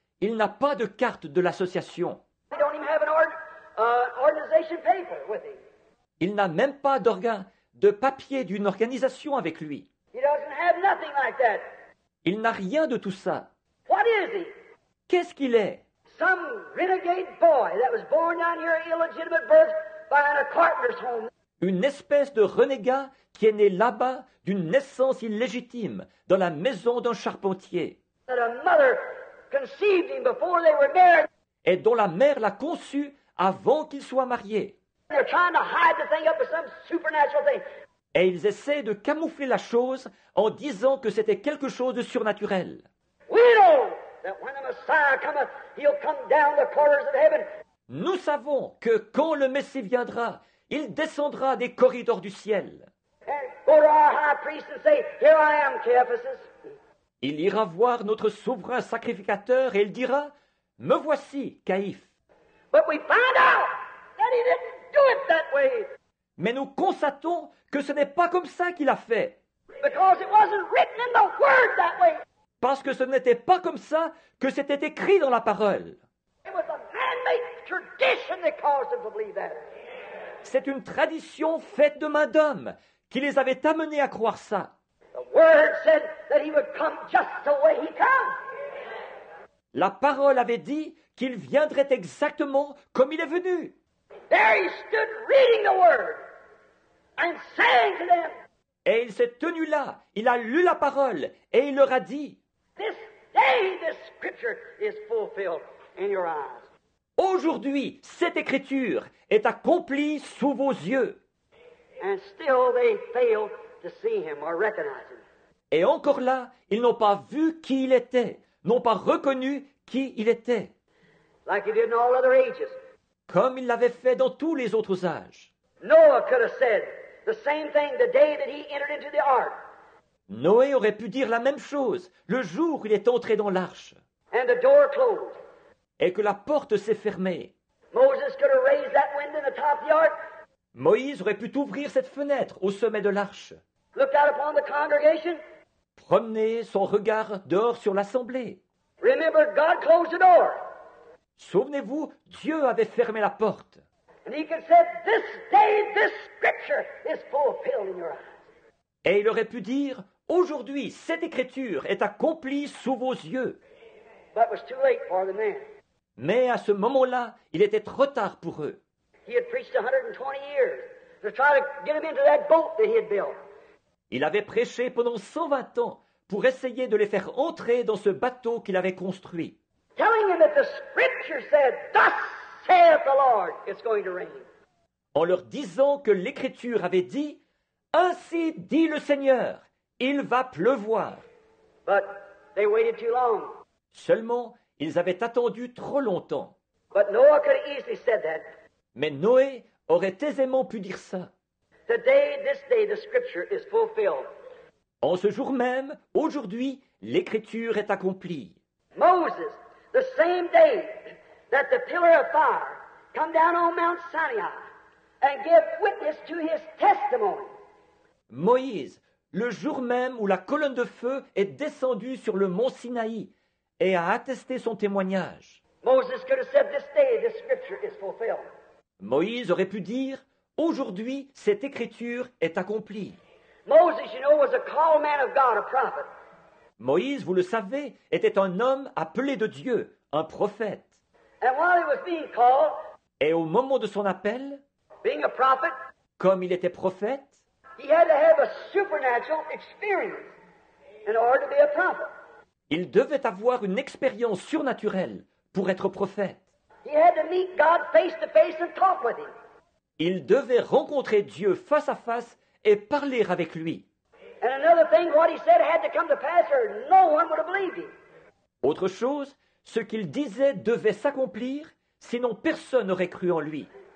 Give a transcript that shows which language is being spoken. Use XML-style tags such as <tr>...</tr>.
<fr>Il n'a pas de carte de l'association.</fr> <en>He don't even have an organization paper with him.</en> <fr>Il n'a même pas d'organe. De papier d'une organisation avec lui.</fr> <en>He doesn't have nothing like that.</en> <fr>Il n'a rien de tout ça.</fr> <en>What is he?</en> <fr>Qu'est-ce qu'il est?</fr> <en>Some renegade boy that was born down here at illegitimate birth by a carpenter's home.</en> <fr>Une espèce de renégat qui est né là-bas d'une naissance illégitime dans la maison d'un charpentier.</fr> <en>That a mother conceived him before they were married.</en> <fr>Et dont la mère l'a conçu avant qu'il soit marié.</fr> <en>They're trying to hide the thing up with some supernatural thing.</en> <fr>Et ils essaient de camoufler la chose en disant que c'était quelque chose de surnaturel.</fr> <en>We know that when the Messiah cometh, he'll come down the corridors of heaven.</en> <fr>Nous savons que quand le Messie viendra, il descendra des corridors du ciel.</fr> <en>And go to our high priest and say, here I am, Caiaphas.</en> <fr>Il ira voir notre souverain sacrificateur et il dira, me voici, Caïphe.</fr> <en>But we find out that he didn't. Do it that way.</en> <fr>Mais nous constatons que ce n'est pas comme ça qu'il a fait.</fr> <en>Because it wasn't written in the word that way.</en> <fr>Parce que ce n'était pas comme ça que c'était écrit dans la parole.</fr> <en>It was a man-made tradition that caused them to believe that.</en> <fr>C'est une tradition faite de main d'homme qui les avait amenés à croire ça.</fr> <en>The word said that he would come just the way he came.</en> <fr>La parole avait dit qu'il viendrait exactement comme il est venu.</fr> <en>There he stood reading the word and saying to them,</en> <fr>et il s'est tenu là, il a lu la parole et il leur a dit,</fr> <en>this day this scripture is fulfilled in your eyes.</en> <fr>Aujourd'hui, cette écriture est accomplie sous vos yeux.</fr> <en>And still they fail to see him or recognize him.</en> <fr>Et encore là, ils n'ont pas vu qui il était, n'ont pas reconnu qui il était.</fr> <en>Like he did in all other ages.</en> <fr>Comme il l'avait fait dans tous les autres âges.</fr> <en>Noah could have said the same thing the day that he entered into the ark.</en> <fr>Noé aurait pu dire la même chose le jour où il est entré dans l'arche.</fr> <en>And the door closed.</en> <fr>Et que la porte s'est fermée.</fr> <en>Moses could have raised that window in the top of the ark.</en> <fr>Moïse aurait pu ouvrir cette fenêtre au sommet de l'arche.</fr> <en>Looked out upon the congregation.</en> <fr>Promener son regard dehors sur l'assemblée.</fr> <en>Remember, God closed the door.</en> <fr>Souvenez-vous, Dieu avait fermé la porte.</fr> <en>And he could say, this day, this scripture is fulfilled in your eyes.</en> <fr>Et il aurait pu dire, aujourd'hui, cette écriture est accomplie sous vos yeux.</fr> <en>But it was too late for the man.</en> <fr>Mais à ce moment-là, il était trop tard pour eux.</fr> <en>He had preached 120 years to try to get him into that boat that he had built.</en> <fr>Il avait prêché pendant 120 ans pour essayer de les faire entrer dans ce bateau qu'il avait construit.</fr> <en>Telling him that the scripture said, thus saith the Lord, it's going to rain.</en> <fr>En leur disant que l'écriture avait dit, ainsi dit le Seigneur, il va pleuvoir.</fr> <en>But they waited too long.</en> <fr>Seulement, ils avaient attendu trop longtemps.</fr> <en>But Noah could have easily said that.</en> <fr>Mais Noé aurait aisément pu dire ça.</fr> <en>The day, this day, the scripture is fulfilled.</en> <fr>En ce jour même, aujourd'hui, l'écriture est accomplie.</fr> <en>Moses, the same day that the pillar of fire come down on Mount Sinai and give witness to his testimony.</en> <fr>Moïse, le jour même où la colonne de feu est descendue sur le mont Sinaï et a attesté son témoignage.</fr> <en>Moses could have said, this day this scripture is fulfilled.</en> <fr>Moïse aurait pu dire, aujourd'hui cette écriture est accomplie.</fr> <en>Moses, you know, was a called man of God, a prophet.</en> <fr>Moïse, vous le savez, était un homme appelé de Dieu, un prophète.</fr> <en>And while he was being called,</en> <fr>et au moment de son appel,</fr> <en>being a prophet,</en> <fr>comme il était prophète,</fr> <en>he had to have a supernatural experience in order to be a prophet.</en> <fr>Il devait avoir une expérience surnaturelle pour être prophète.</fr> <en>He had to meet God face to face and talk with him.</en> <fr>Il devait rencontrer Dieu face à face et parler avec lui.</fr> <en>And another thing, what he said had to come to pass, or no one would have believed him.</en> <fr>Autre chose, ce qu'il disait devait s'accomplir, sinon personne n'aurait cru en lui.</fr>